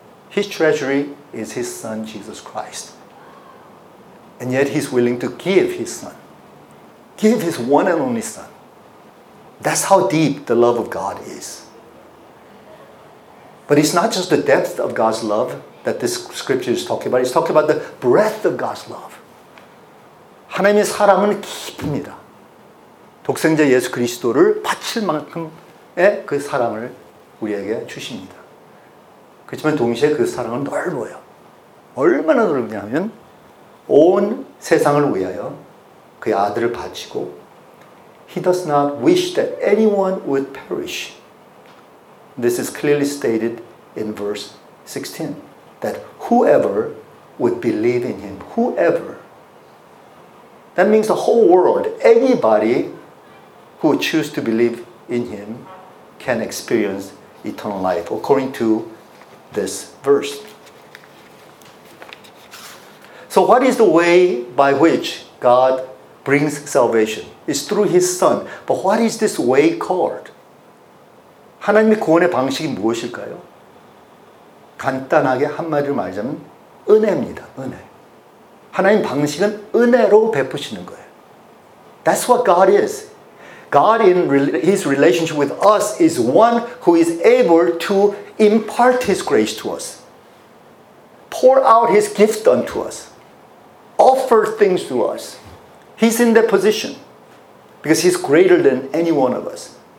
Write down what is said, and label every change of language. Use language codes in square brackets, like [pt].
[en] His treasury is his Son, Jesus Christ. And yet he's willing to give his Son, give his one and only Son. That's how deep the love of God is. But it's not just the depth of God's love that this scripture is talking about. It's talking about the breadth of God's love. [ko] 하나님의 사랑은 깊습니다. 독생자 예수 그리스도를 바칠 만큼의 그 사랑을 우리에게 주십니다. 그렇지만 동시에 그 사랑은 넓어요. 얼마나 넓냐면 온 세상을 위하여 그의 아들을 바치고 [en] He does not wish that anyone would perish. This is clearly stated in verse 16. That whoever would believe in him, whoever. That means the whole world, anybody who choose to believe in him can experience eternal life according to this verse. So what is the way by which God brings salvation? It's through his son. But what is this way called? [ko] 하나님의 구원의 방식이 무엇일까요? 간단하게 한마디로 말하자면 은혜입니다. 은혜. 하나님 방식은 은혜로 베푸시는 거예요. [en] That's what God is. God in his relationship with us is one who is able to impart his grace to us. Pour out his gift unto us. Offer things to us. He's in that position. Because he's greater than any one of us.